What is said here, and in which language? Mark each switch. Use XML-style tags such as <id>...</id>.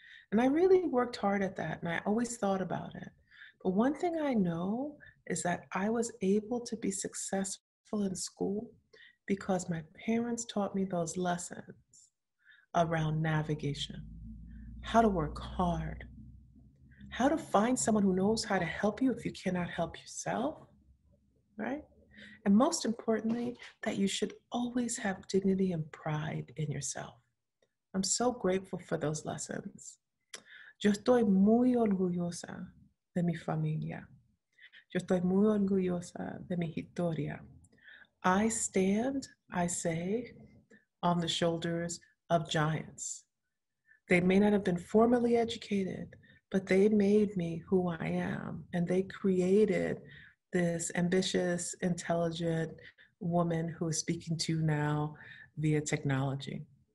<en>And I really worked hard at that, and I always thought about it. But one thing I know is that I was able to be successful in school because my parents taught me those lessons around navigation, how to work hard, how to find someone who knows how to help you if you cannot help yourself, right? And most importantly, that you should always have dignity and pride in yourself. I'm so grateful for those lessons.</en> <es>Yo estoy muy orgullosa de mi familia. Yo estoy muy orgullosa de mi historia.</es> <en>I stand, I say, on the shoulders of giants. They may not have been formally educated, but they made me who I am. And they created this ambitious, intelligent woman who is speaking to you now via technology.</en>